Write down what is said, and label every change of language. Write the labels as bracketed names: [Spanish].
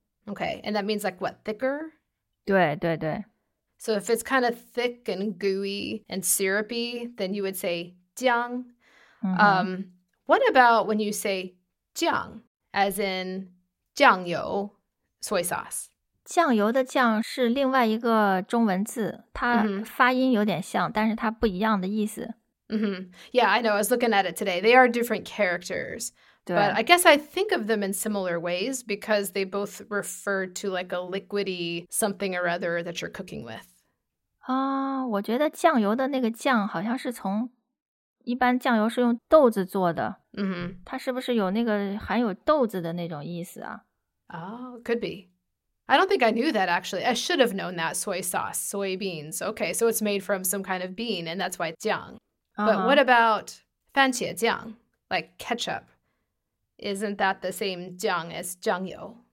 [English] Okay, and that means like what, thicker? [Chinese] 对对对. [English] So if it's kind of thick and gooey and syrupy, then you would say 姜. Mm-hmm. What about when you say 酱, as in 酱油, soy sauce? [Chinese] 酱油的酱是另外一个中文字, 它发音有点像, mm-hmm. 但是它不一样的意思。 [English] Mm-hmm. Yeah, I know. I was looking at it today. They are different characters. But I guess I think of them in similar ways because they both refer to like a liquidy something or other that you're cooking with. [Chinese] 我觉得酱油的那个酱好像是从 一般酱油是用豆子做的, mm-hmm. 它是不是有那个含有豆子的那种意思啊? [English] Oh, could be. I don't think I knew that, actually. I should have known that, soy sauce, soybeans. Okay, so it's made from some kind of bean, and that's why it's 酱. But uh-huh. what about 番茄酱, like ketchup? Isn't that the same 酱 as 酱油?